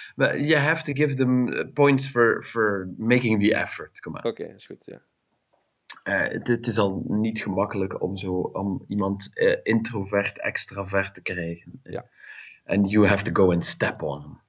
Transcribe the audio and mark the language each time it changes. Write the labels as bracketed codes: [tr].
[en] But you have to give them points for making the effort. Come on. [nl] Oké, is goed, ja. Het is al niet gemakkelijk om iemand introvert, extravert te krijgen. Ja. [en] And you have to go and step on them.